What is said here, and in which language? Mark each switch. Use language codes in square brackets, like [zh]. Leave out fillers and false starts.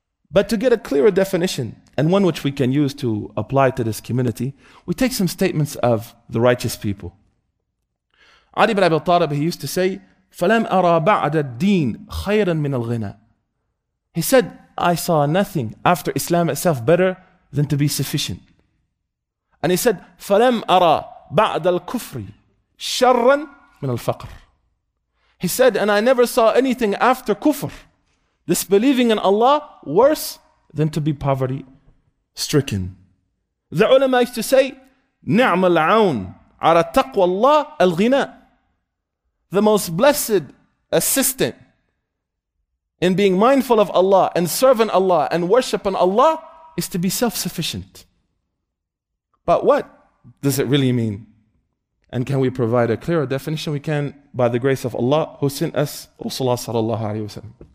[en] But to get a clearer definition, and one which we can use to apply to this community, we take some statements of the righteous people. Ali ibn Abi Talib, he used to say, [ar] فَلَمْ أَرَى بَعْدَ الدِّينِ خَيْرًا مِنَ الْغِنَى. [en] He said, I saw nothing after Islam itself better than to be sufficient. And he said, [ar] فَلَمْ أَرَى بَعْدَ الْكُفْرِ شَرًّا مِنَ الْفَقْرِ. [en] He said, and I never saw anything after kufr, disbelieving in Allah, worse than to be poverty stricken. The ulama used to say, [ar] نِعْمَ الْعَوْنِ عَلَى تَقْوَى اللَّهِ الْغِنَى. [en] The most blessed assistant in being mindful of Allah and serving Allah and worshiping Allah is to be self-sufficient. But what does it really mean? And can we provide a clearer definition? We can, by the grace of Allah who sent us Rasulullah sallallahu alayhi wa sallam.